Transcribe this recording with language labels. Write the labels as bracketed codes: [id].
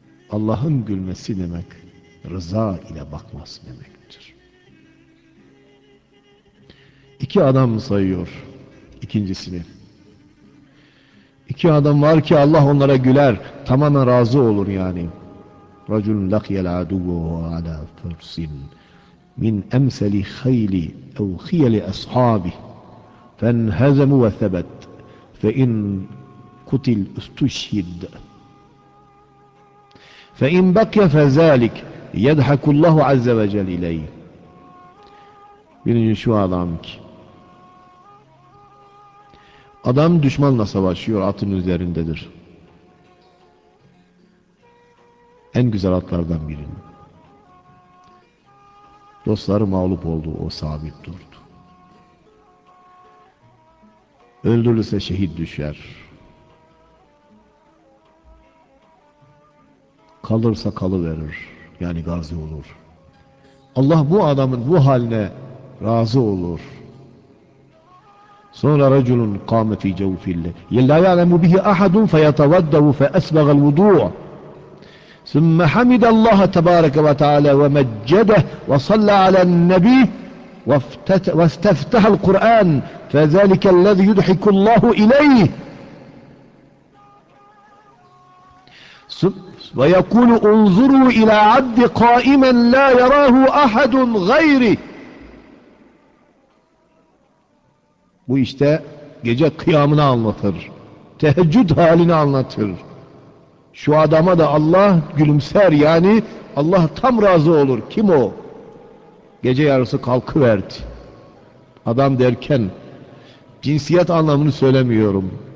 [tr] Allah'ın gülmesi demek rıza ile bakması demektir. İki adam sayıyor ikincisini. İki adam var ki Allah onlara güler. Tamamen razı olur yani. [ar] رجل لقي العدو على فرس من أمثل خيل أو خيل أصحابه فانهزم وثبت فإن قتل استشهد فإن بقي فذلك يضحك الله عز وجل إليه. [tr] Birinci şu adam ki adam düşmanla savaşıyor, atın üzerindedir. En güzel atlardan birini. Dostları mağlup oldu, o sabit durdu. Öldürülse şehit düşer. Kalırsa kalıverir, yani gazi olur. Allah bu adamın bu haline razı olur. [ar] Sonra raculun kâme fî cevfille yellâ ya'lemu bihi ahadun feyetevaddavu feesbeğel vudu'a ثم حمد الله تبارك وتعالى ومجده وصلى على النبي واستفتح القرآن فذلك الذي يضحك الله إليه ويقول انظروا إلى عبد قائما لا يراه أحد غيري. [tr] Bu işte gece kıyamını anlatır. Teheccüd halini anlatır. Şu adama da Allah gülümser, yani Allah tam razı olur. Kim o? Gece yarısı kalkıverdi. Adam derken cinsiyet anlamını söylemiyorum.